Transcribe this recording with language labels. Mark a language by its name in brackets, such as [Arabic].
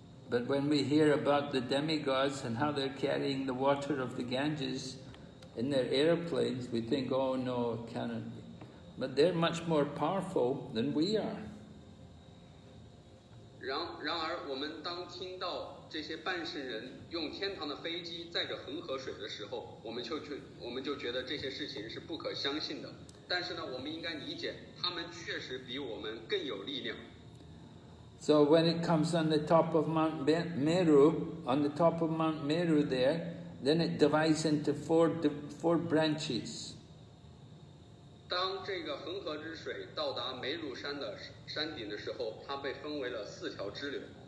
[English] But when we hear about the demigods and how they're carrying the water of the Ganges in their airplanes, we think, oh no, it cannot be. But they're much more powerful than we are. [Chinese] 然而我们当听到这些半圣人用天堂的飞机载着恒河水的时候，我们就觉得这些事情是不可相信的。但是呢，我们应该理解，他们确实比我们更有力量。 [English] So when it comes on the top of Mount Meru, on the top of Mount Meru there, then it divides into four branches. [Chinese] 当这个恒河之水到达梅鲁山的山顶的时候，它被分为了四条支流。